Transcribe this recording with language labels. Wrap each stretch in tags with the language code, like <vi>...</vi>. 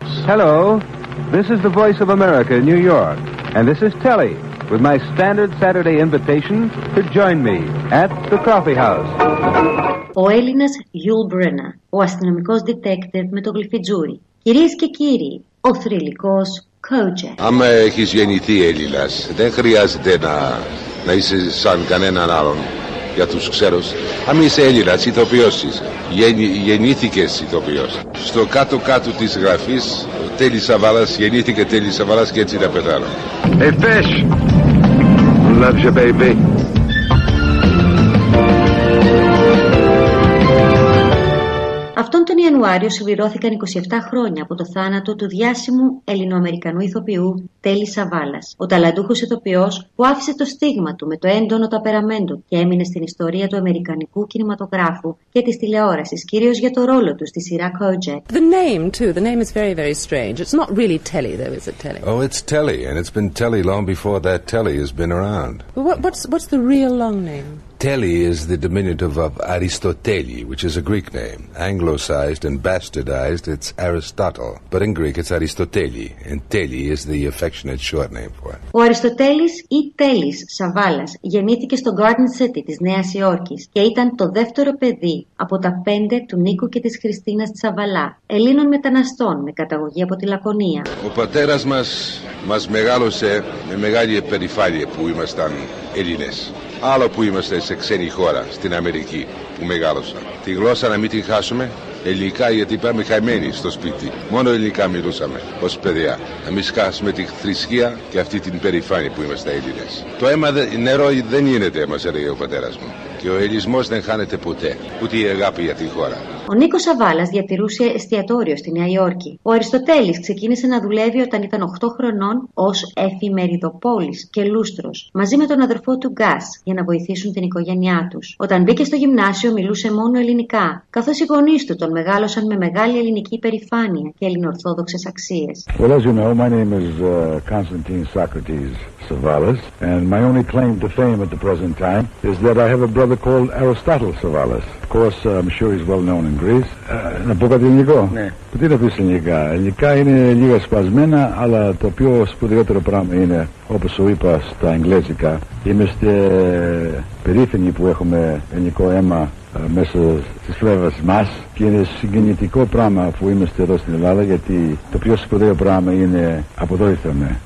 <en>Hello, this is the Voice of America, New York, and this is Telly with my standard Saturday invitation to join me at the coffee house.</en> <el>Ο Έλληνας Yul Brynner, ο αστυνομικός detective με το γλυφιτζούρι. Κυρίες και κύριοι, ο θρυλικός Kojak. Άμα έχεις γεννηθεί Έλληνας, δεν χρειάζεται να είσαι σαν κανέναν άλλον για τους ξέρους. Άμα είσαι Έλληνας, ηθοποιός είσαι. Γεννήθηκες ηθοποιός. Στο κάτω-κάτω της γραφής, ο Τέλης Σαβάλας, γεννήθηκε Τέλης Σαβάλας και έτσι να πεθάνω.</el> <en>Hey fish, love you baby.</en> <el>Αυτόν τον Ιανουάριο. Ιανουάριο συμπληρώθηκαν 27 χρόνια από το θάνατο του διάσημου Ελληνοαμερικανού ηθοποιού Τέλη Σαβάλας. Ο ταλαντούχος ηθοποιός που άφησε το στίγμα του με το έντονο ταπεραμέντο και έμεινε στην ιστορία του αμερικανικού κινηματογράφου και της τηλεόρασης, κυρίως για το ρόλο του στη σειρά Kojak.</el> <en>The name too, the name is very very strange. It's not really Telly though, is it Telly? Oh, it's Telly and it's been Telly long before that Telly has been around. But what's the real long name? Telly is the diminutive of Aristoteli, which is a Greek name. Anglicized and bastardized, it's Aristotle. But in Greek, it's Aristoteli, and Telly is the affectionate short name for it.</en> <el>Ο Αριστοτέλης ή Τέλης Σαβάλας γεννήθηκε στο Garden City της Νέας Υόρκης και ήταν το δεύτερο παιδί από τα πέντε του Νίκου και της Χριστίνας Σαβαλά, Ελλήνων μεταναστών με καταγωγή από τη Λακωνία. Ο πατέρας μας μεγάλωσε με μεγάλη επερηφάνεια που ήμασταν Έλληνες. Άλλο που είμαστε σε ξένη χώρα, στην Αμερική, που μεγάλωσα. Τη γλώσσα να μην την χάσουμε, ελληνικά, γιατί πάμε χαμένοι στο σπίτι. Μόνο ελληνικά μιλούσαμε ως παιδιά. Να μην χάσουμε τη θρησκεία και αυτή την περηφάνεια που είμαστε Έλληνες. Το αίμα νερό δεν γίνεται, μας έλεγε ο πατέρας μου. Και ο ελλεινισμός δεν χάνεται ποτέ, ούτε η αγάπη για τη χώρα. Ο Νίκος Σαβάλας διατηρούσε εστιατόριο στη Νέα Υόρκη. Ο Αριστοτέλης ξεκίνησε να δουλεύει όταν ήταν 8 χρονών ως εφημεριδοπόλης και λούστρος, μαζί με τον αδερφό του Γκάς για να βοηθήσουν την οικογένειά τους. Όταν μπήκε στο γυμνάσιο μιλούσε μόνο ελληνικά, καθώς οι γονείς του τον μεγάλωσαν με μεγάλη ελληνική υπερηφάνεια και ελληνοορθόδοξες αξίες.</el> <en>Well, as you know, my name is Constantine Socrates Σαβάλας and my only claim to fame at the present time is that I have a brother called Aristotle Σαβάλας. Of course, I'm sure he's well known in Greece.</en> <el>Να πω κάτι ελληνικό. Ναι. Τι να πεις ελληνικά. Ελληνικά είναι λίγα σπασμένα, αλλά το πιο σπουδαιότερο πράγμα είναι, όπως σου είπα στα αγγλέζικα, είμαστε περήφανοι που έχουμε ελληνικό αίμα μέσα στις φλέβες μας και είναι συγκινητικό πράγμα που είμαστε εδώ στην Ελλάδα, γιατί το πιο σπουδαίο πράγμα είναι από εδώ ήρθαμε.</el>